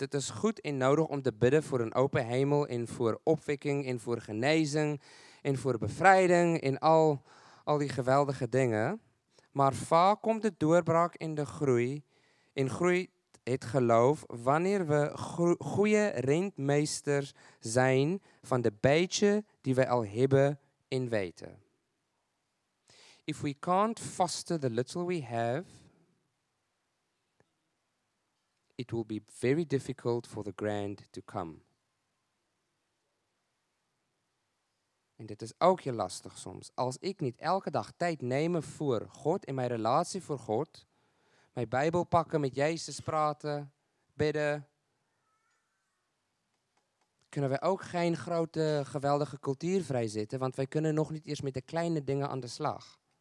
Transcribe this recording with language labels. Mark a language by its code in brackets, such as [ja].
[nl] Het is goed en nodig om te bidden voor een open hemel en voor opwekking en voor genezing en voor bevrijding en al die geweldige dingen. Maar vaak komt de doorbraak in de groei, in groei het geloof, wanneer we goede rentmeesters zijn van de beetje die we al hebben en weten. [en] If we can't foster the little we have, it will be very difficult for the grand to come. [nl] En dit is ook heel lastig soms. Als ik niet elke dag tijd neem voor God en mijn relatie voor God, mijn Bijbel pakken, met Jezus praten, bidden, kunnen we ook geen grote, geweldige cultuur vrijzetten, want wij kunnen nog niet eerst met de kleine dingen aan de slag.